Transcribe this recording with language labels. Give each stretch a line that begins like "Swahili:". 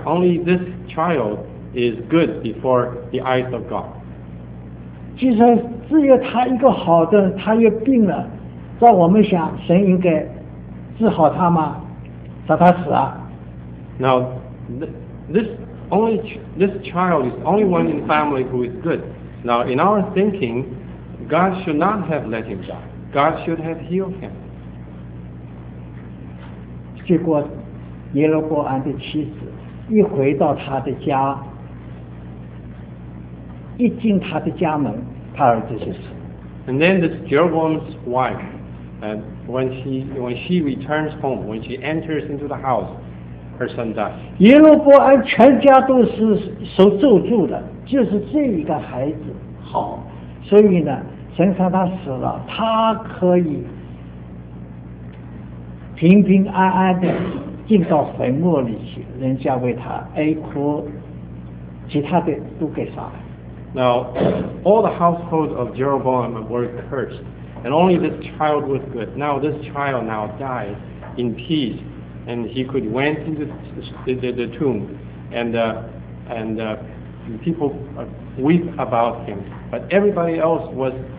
English: Only this child is good before the eyes of God.
Chinese: 既然只有他一个好的，他又病了，让我们想，神应该治好他吗？让他死啊
English: ？Now, this child is only one in the family who is good. Now, in our thinking, God should not have let him die. God should have healed him.
Chinese: 结果耶罗波安的妻子一回到他的家，一进他的家门，他儿子就死。
English: And then this Jeroboam's wife, and when she returns home, when she enters into the house, her son dies.
Chinese: 耶罗波安全家都是受咒诅的，就是这一个孩子好，所以呢。神让他死了，他可以平平安安的进到坟墓里去，人家为他哀哭，其他的都给杀了。
English: Now, all the household of Jeroboam were cursed, and only this child was good. Now this child now died in peace, and he could went into the tomb, and people weep about him, but everybody else was.